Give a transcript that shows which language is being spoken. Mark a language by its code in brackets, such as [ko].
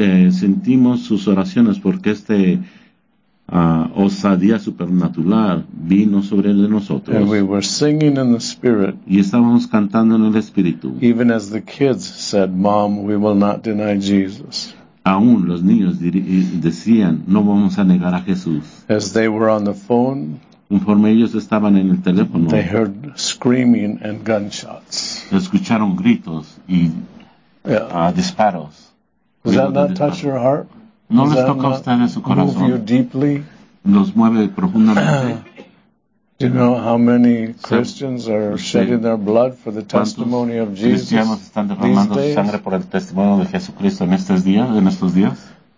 [es] Sentimos sus oraciones porque este osadía supernatural vino sobre nosotros. [en] And we were singing in the spirit. [es] Y estábamos cantando en el espíritu. [en] Even as the kids said, "Mom, we will not deny Jesus." [es] Aún los niños decían, "No vamos a negar a Jesús." [en] As they were on the phone, [es] conforme ellos estaban en el teléfono, [en] they heard screaming and gunshots. [es] Escucharon gritos y disparos. [en] Does that not touch your heart? [es] ¿No les toca a ustedes su corazón? [en] Move you deeply? [es] ¿Los mueve profundamente? [en] Do you know how many Christians are shedding their blood for the testimony of Jesus? [es] ¿Cristianos están derramando su sangre por el testimonio de Jesucristo en estos días?